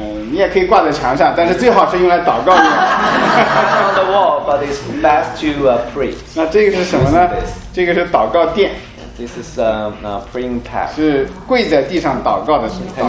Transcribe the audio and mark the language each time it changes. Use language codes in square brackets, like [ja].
[zh] 你也可以挂在墙上，但是最好是用来祷告用。 [en] On the wall, but it's best to pray. [zh] 那这个是什么呢？这个是祷告垫。 [en] This is a praying pad. [zh] 是跪在地上祷告的时候。